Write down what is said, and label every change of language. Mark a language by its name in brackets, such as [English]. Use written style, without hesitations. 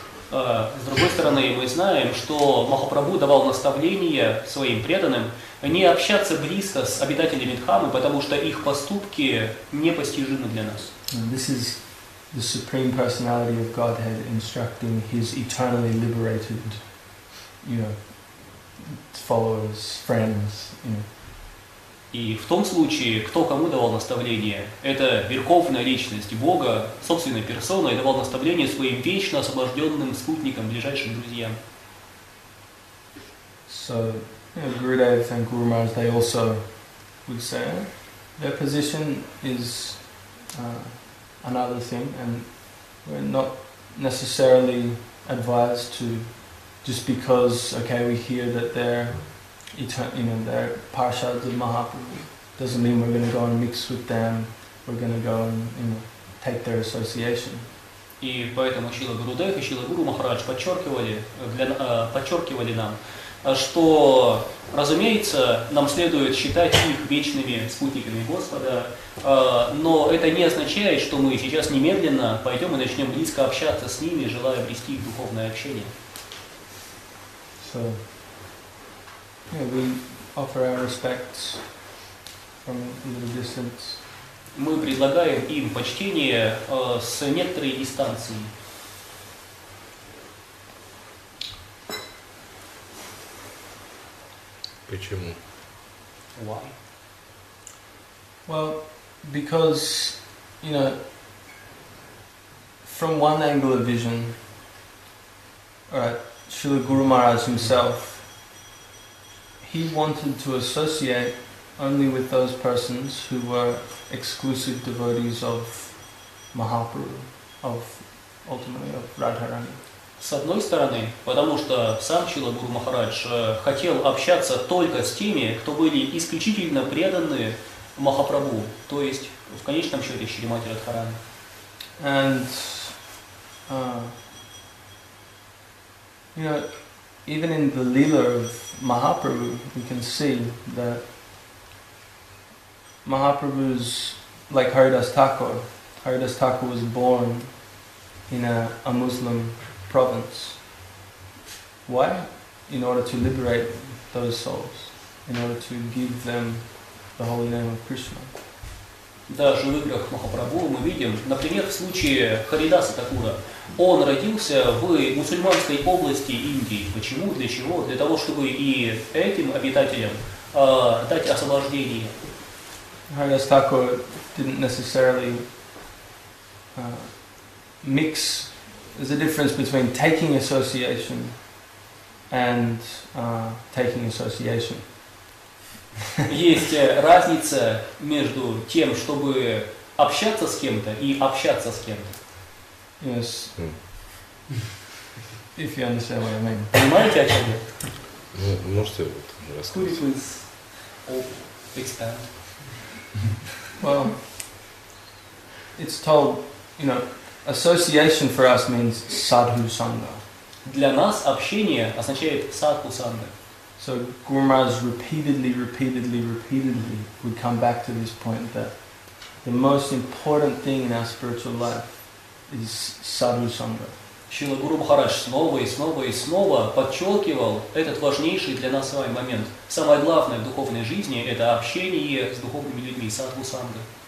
[Russian] С другой стороны, мы знаем, что Махапрабху давал наставление своим преданным не общаться близко с обитателями Дхамы, потому что их поступки непостижимы для нас. [English] This is the Supreme Personality of Godhead instructing his eternally liberated, you know, followers, friends, you know. [Russian] И в том случае, кто кому давал наставление, это верховная личность Бога, собственной персоной, давал наставление своим вечно освобожденным спутникам, ближайшим друзьям. [English] So, you know, Gurudev and Guru Maharaj, they also would say their position is another thing, and we're not necessarily advised to just because, okay, we hear that they're eternal, you know, they're parshads of Mahaprabhu, doesn't mean we're going to go and mix with them, we're going to go and, you know, take their association. [Russian] И поэтому Шрила Гурудев и Шрила Гуру Махарадж подчеркивали нам, что, разумеется, нам следует считать их вечными спутниками Господа, но это не означает, что мы сейчас немедленно пойдем и начнем близко общаться с ними, желая обрести их духовное общение. [English] So, yeah, we offer our respects from a little distance. [Russian] Мы предлагаем им почтение с некоторой дистанции. Почему? [English] Why? Well, because, you know, from one angle of vision, Srila Guru Maharaj himself, he wanted to associate only with those persons who were exclusive devotees of Mahaprabhu, of ultimately of Radharani. [Russian] С одной стороны, потому что сам Шрила Гуру Махарадж хотел общаться только с теми, кто были исключительно преданы Махапрабху, то есть в конечном счете Шримати Радхарани. [English] And you know, even in the Lila of Mahaprabhu, we can see that Mahaprabhu's like Haridas Thakur. Haridas Thakur was born in a Muslim province. Why? In order to liberate those souls, in order to give them the holy name of Krishna. [Russian] Даже в играх Махапрабху мы видим, например, в случае Харидаса Такура, он родился в мусульманской области Индии. Почему? Для чего? Для того, чтобы и этим обитателям дать освобождение. [English] Харидас Такур didn't necessarily mix. There's a difference between taking association and taking association. [Russian] Есть разница между тем, чтобы общаться с кем-то и общаться с кем-то. [English] Yes. If you understand what I mean. [Russian] Понимаете, о чем я? Ну, можете вот рассказать. [English] Could it please expand? Well, it's told, you know, association for us means sadhu sangha. [Russian] Для нас общение означает sadhu sangha. [English] So Guru Maharaj repeatedly would come back to this point that the most important thing in our spiritual life is sadhu sangha. [Russian] Шрила Гуру Махарадж снова и снова и снова подчеркивал этот важнейший для нас с вами момент. Самое главное в духовной жизни – это общение с духовными людьми, sadhu sangha.